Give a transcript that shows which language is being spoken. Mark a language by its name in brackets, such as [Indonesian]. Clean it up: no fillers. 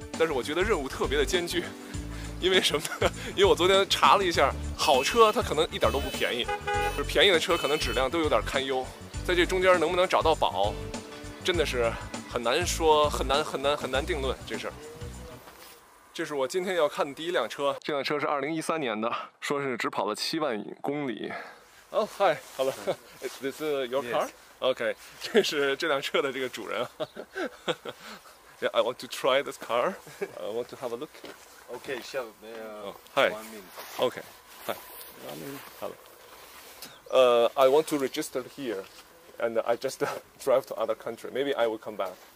[Chinese] 但是我觉得任务特别的艰巨，因为什么呢？因为我昨天查了一下，好车它可能一点都不便宜，就是便宜的车可能质量都有点堪忧，在这中间能不能找到宝真的是很难说，很难很难很难定论。这事这是我今天要看的第一辆车，这辆车是2013年的，说是只跑了7万公里。哦，嗨，好了 [English] ，This is your car？ [Chinese] OK， 这是这辆车的这个主人。 [English] Yeah， I want to try this car. I want to have a look. OK， sure. May Hi. One minute. OK， hi. One minute. Hello. I want to register here, and I just drive to other country. Maybe I will come back.